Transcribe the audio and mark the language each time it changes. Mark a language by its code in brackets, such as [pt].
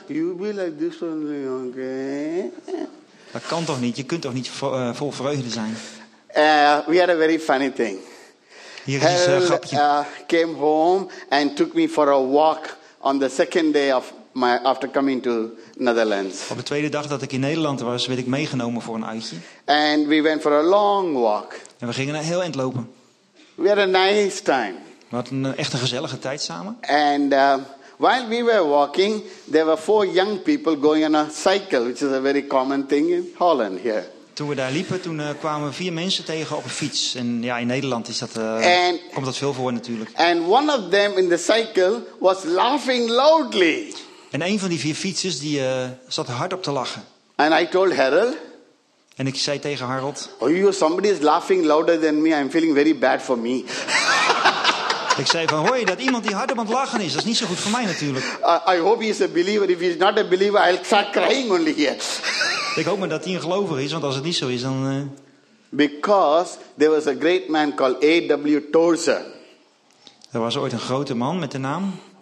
[en] You be like this one, okay? [nl] Dat kan toch niet. Je kunt toch niet vol vreugde zijn. [en] We had a very funny thing. [nl] Hier is een grapje. [en] Came home and took me for a walk on the second day of after coming to Netherlands. [nl] Op de tweede dag dat ik in Nederland was, werd ik meegenomen voor een uitje. [en] And we went for a long walk. [nl] En we gingen een heel eind lopen. [en] We had a nice time. [nl] We hadden een echte gezellige tijd samen. [en] And while we were walking, there were four young people going on a cycle, which is a very common thing in Holland here. [nl] Toen we daar liepen, toen kwamen vier mensen tegen op een fiets. En ja, in Nederland is dat, komt dat veel voor natuurlijk. [en] And one of them in the cycle was laughing loudly. [nl] En een van die vier fietsers die zat hard op te lachen. [en] And I told Harold. [nl] En ik zei tegen Harold. [en] Oh, you, somebody is laughing louder than me. I'm feeling very bad for me. [nl] Ik zei van, hoor je dat iemand die hard op het lachen is? Dat is niet zo goed voor mij natuurlijk. [en] I hope he is a believer. If he is not a believer, I'll start crying only here. [nl] Ik hoop maar dat hij een gelover is, want als het niet zo is, dan. [en] Because there was a great man called A.W. Tozer. [nl] Er was ooit een grote man met de naam.